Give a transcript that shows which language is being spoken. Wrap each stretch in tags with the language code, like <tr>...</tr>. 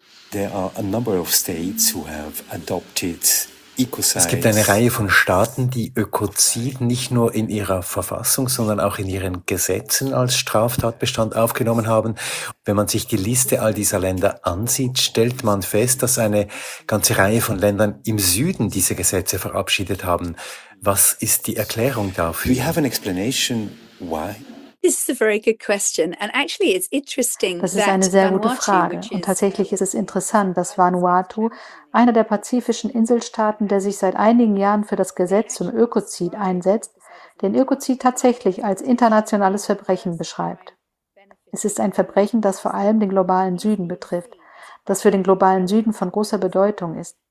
<en>There are a number of states who have adopted ecocide.</en> <de>Es gibt eine Reihe von Staaten, die Ökozid nicht nur in ihrer Verfassung, sondern auch in ihren Gesetzen als Straftatbestand aufgenommen haben. Wenn man sich die Liste all dieser Länder ansieht, stellt man fest, dass eine ganze Reihe von Ländern im Süden diese Gesetze verabschiedet haben. Was ist die Erklärung dafür?</de> <en>We have an explanation why. This is a very good question, and actually, it's interesting.</en> <de>Das ist eine sehr gute Frage, und tatsächlich ist es interessant, dass Vanuatu, einer der pazifischen Inselstaaten, der sich seit einigen Jahren für das Gesetz zum Ökozid einsetzt, den Ökozid tatsächlich als internationales Verbrechen beschreibt. Es ist ein Verbrechen, das vor allem den globalen Süden betrifft, das für den globalen Süden von großer Bedeutung ist.</de>